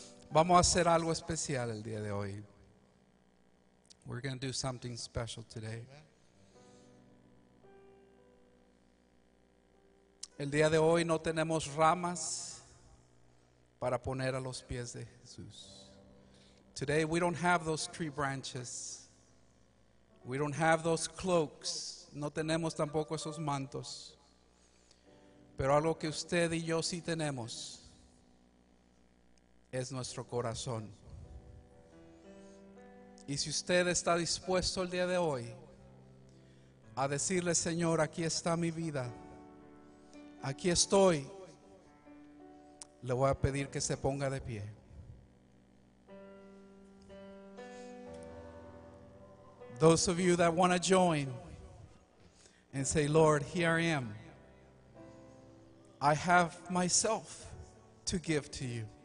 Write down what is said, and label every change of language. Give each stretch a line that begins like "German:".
Spanish: Vamos a hacer algo especial el día de hoy.
English: We're going to do something special today.
Spanish: El día de hoy no tenemos ramas para poner a los pies de Jesús.
English: Today we don't have those tree branches. We don't have those cloaks.
Spanish: No tenemos tampoco esos mantos, pero algo que usted y yo sí tenemos es nuestro corazón. Y si usted está dispuesto el día de hoy a decirle, Señor, aquí está mi vida, aquí estoy, le voy a pedir que se ponga de pie.
English: Those of you that want to join and say, Lord, here I am. I have myself to give to you.